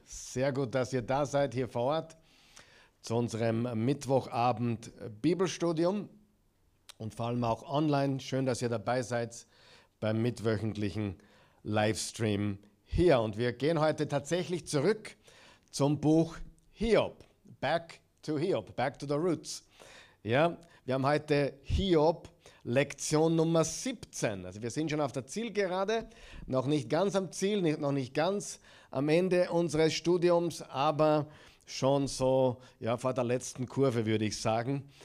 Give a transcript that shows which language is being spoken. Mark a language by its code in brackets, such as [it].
[de] Sehr gut, dass ihr da seid hier vor Ort zu unserem Mittwochabend Bibelstudium und vor allem auch online. Schön, dass ihr dabei seid beim mittwöchentlichen Livestream hier. Und wir gehen heute tatsächlich zurück zum Buch Hiob. [en] Back to Hiob, back to the roots. [de] Ja, wir haben heute Hiob Lektion Nummer 17. Also wir sind schon auf der Zielgerade, noch nicht ganz am Ziel, noch nicht ganz am Ende unseres Studiums, aber schon so ja, vor der letzten Kurve, würde ich sagen.